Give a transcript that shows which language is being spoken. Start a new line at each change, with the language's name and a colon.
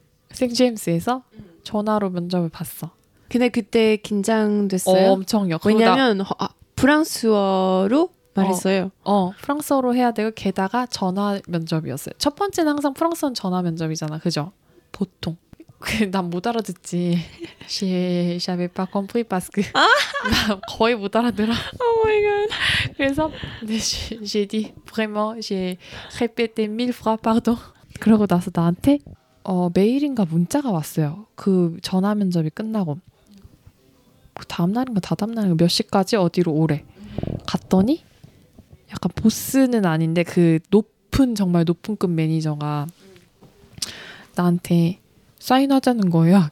Korean: 생제임스에서 전화로 면접을 봤어. 근데 그때 긴장됐어요? 엄청요. 왜냐면 프랑스어로 말했어요. 프랑스어로 해야 되고 게다가 전화 면접이었어요. 첫 번째는 항상 프랑스어는 전화 면접이잖아. 그죠? 보통. 난 못 알아듣지.
French: J'avais pas compris parce que
Korean: 거의 못 알아들어.
English: Oh my god.
Korean: 그래서
French: j'ai dit vraiment j'ai répété mille fois pardon.
Korean: 그러고 나서 나한테 메일인가 문자가 왔어요. 그 전화 면접이 끝나고 다음 날인가 다다음 날인가 몇 시까지 어디로 오래 갔더니 약간 보스는 아닌데 그 높은 정말 높은 급 매니저가 나한테 사인하자는 거예요.